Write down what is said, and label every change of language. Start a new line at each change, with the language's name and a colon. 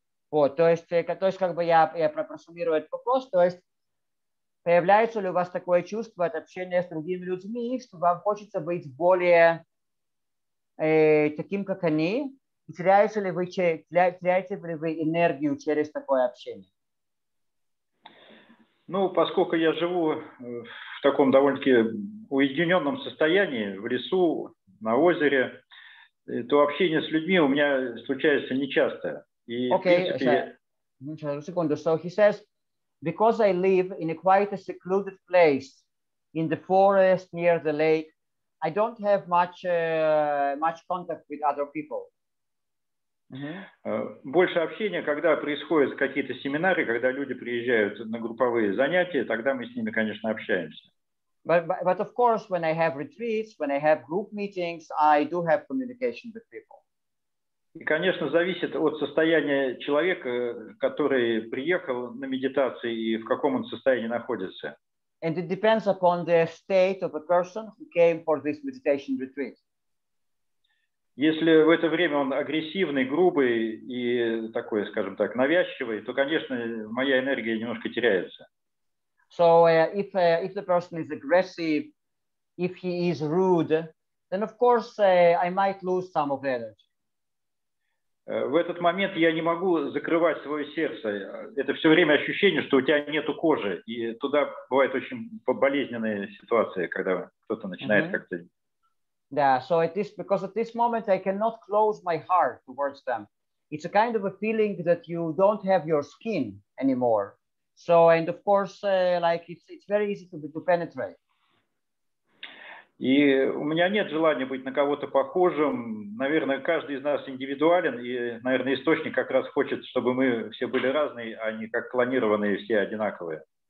Russian: Вот, то есть как бы я просуммирую этот вопрос, то есть появляется ли у вас такое чувство от общения с другими людьми, что вам хочется быть более таким, как они, теряете ли вы энергию через такое общение? Ну, поскольку я живу в таком довольно-таки уединенном состоянии, в лесу, на озере, то общение с людьми у меня случается нечасто. И,
English: okay,
Russian: принципе, секунду.
English: So he says, because I live in a quite a secluded place, in the forest, near the lake, I don't have much contact with other people.
Russian: Больше общения, когда происходят какие-то семинары, когда люди приезжают на групповые занятия, тогда мы с ними, конечно, общаемся.
English: But of course, when I have retreats, when I have group meetings, I do have communication with people.
Russian: И, конечно, зависит от состояния человека, который приехал на медитации, и в каком он состоянии находится.
English: And it depends upon the state of a person who came for this meditation retreat.
Russian: Если в это время он агрессивный, грубый и такой, скажем так, навязчивый, то, конечно, моя энергия немножко теряется.
English: So if the person is aggressive, if he is rude, then of course I might lose some of the energy.
Russian: В этот момент я не могу закрывать свое сердце. Это все время ощущение, что у тебя нету кожи. И туда бывает очень болезненная ситуация, когда кто-то начинает как-то...
English: Yeah, so at this, because at this moment I cannot close my heart towards them. It's a kind of a feeling that you don't have your skin anymore. So, and of course, like it's very easy to penetrate.
Russian: И у меня нет желания быть на кого-то похожим. Наверное, каждый из нас индивидуален, и, наверное, источник как раз хочет, чтобы мы все были разные, а не как клонированные все одинаковые.